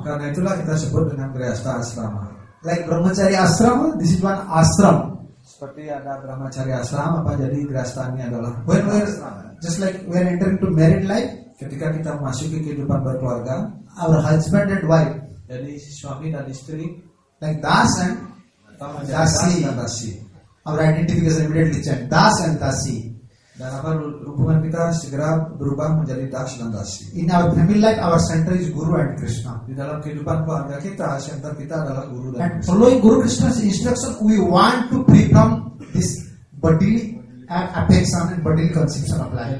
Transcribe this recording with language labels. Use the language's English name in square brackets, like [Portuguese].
[Indonesian] Karena itulah kita sebut dengan grihastha asrama. [English] Like brahmacari asrama, this is one asram. [Indonesian] Seperti ada brahmacari asrama, apa jadi grihasthanya adalah [English] when we just like we are entering to married life. [Indonesian] Ketika kita memasuki kehidupan berkeluarga, [English] our husband and wife. [Indonesian] Jadi suami dan istri. [English] Like das and dasi. Dasi. Our identification immediately changed. Das and dasi. [Indonesian] Dan apa hubungan kita segera berubah menjadi das dan dasi. [English] In our family life, our center is Guru and Krishna. [Indonesian] Di dalam kehidupan keluarga kita, center kita adalah Guru dan [English] Krishna. And following Guru Krishna's instruction, we want to free from this bodily affection and bodily conception of life.